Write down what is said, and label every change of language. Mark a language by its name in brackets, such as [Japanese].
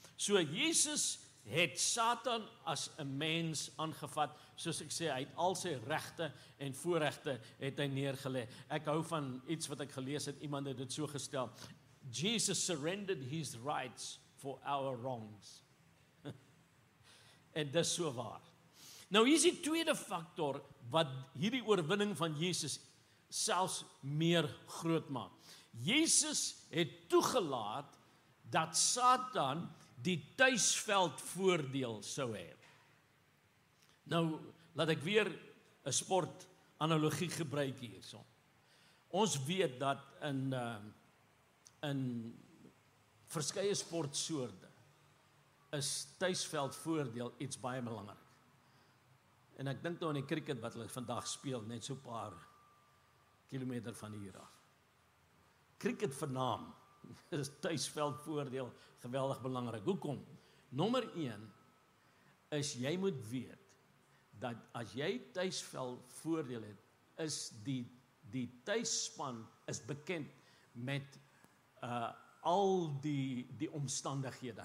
[Afrikaans] So Jesus het Satan as 'n mens aangevat, soos ek sê, hy het al sy regte en voorregte het hy neergelê. Ek hou van iets wat ek gelees het, iemand het dit so gestel. [English] Jesus surrendered his rights for our wrongs. [Afrikaans] En dis so waar. Nou hier is die tweede faktor wat hierdie oorwinning van Jesus selfs meer groot maak. Jesus het toegelaat dat Satan die tuisveld voordeel sou hê. Nou, laat ek weer 'n sport analogie gebruik hierson. Ons weet dat in verskeie sportsoorte is tuisveld voordeel iets baie belangrik. En ek dink nou aan die cricket wat hulle vandag speel, net so paar kilometer van hier af. Cricket vernaam is tuisveld voordeel geweldig belangrik. Hoekom? Nommer 1 is jy moet weet dat as jy tuisveld voordeel het, is die tuisspan is bekend met al die omstandighede.